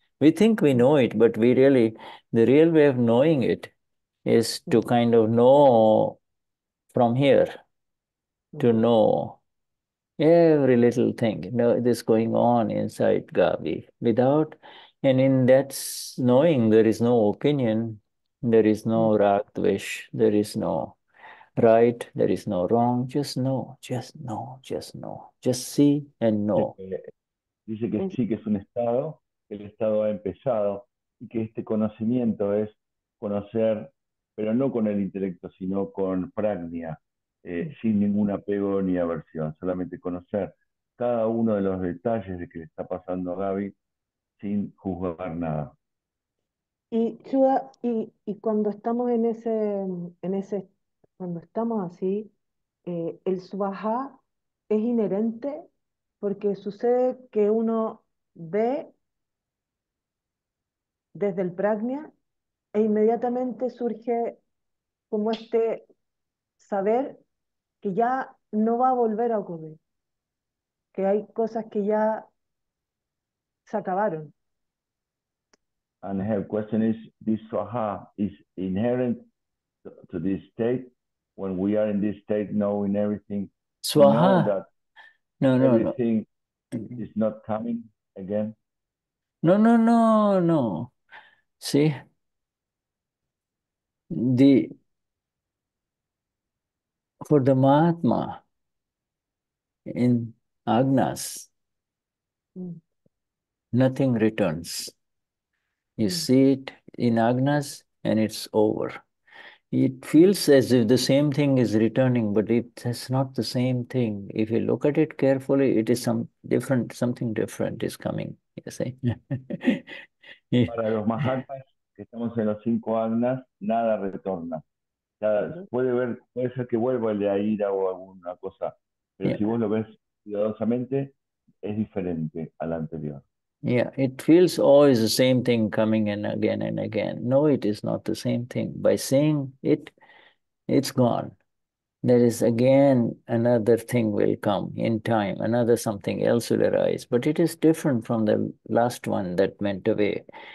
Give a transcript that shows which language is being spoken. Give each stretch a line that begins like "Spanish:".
English: We think we know it, but we really, the real way of knowing it is to kind of know from here, to know every little thing, you know, this going on inside Gabi, without, and in that knowing, there is no opinion, there is no rag dvesh, there is no right, there is no wrong, just know, just know, just know, just see and know.
Spanish: Dice que sí, que es un estado, que el estado ha empezado, y que este conocimiento es conocer, pero no con el intelecto, sino con pragna. Sin ningún apego ni aversión, solamente conocer cada uno de los detalles de que le está pasando a Gaby sin juzgar nada. Y Chuda, y cuando estamos en ese cuando estamos así, el Subhajá es inherente porque sucede que uno ve desde el Pragna e inmediatamente surge como este saber que ya no va a volver a ocurrir, que hay cosas que ya se acabaron.
English: And her question is, this Swaha is inherent to this state, when we are in this state knowing everything, Swaha. Know that no, everything no. Is not coming again? No. See? For the Mahatma in Agnas, nothing returns. You see it in Agnas and it's over. It feels as if the same thing is returning, but it's not the same thing. If you look at it carefully, it is something different is coming. You see?
Spanish: Para los Mahatmas, que estamos en los cinco Agnas, nada retorna. Puede ser que vuelva el de a ira o alguna cosa, pero yeah. Si vos lo ves cuidadosamente, es diferente a la anterior.
English: Yeah, it feels always the same thing coming in again and again. No, it is not the same thing. By seeing it, it's gone. There is again another thing will come in time, another something else will arise, but it is different from the last one that went away.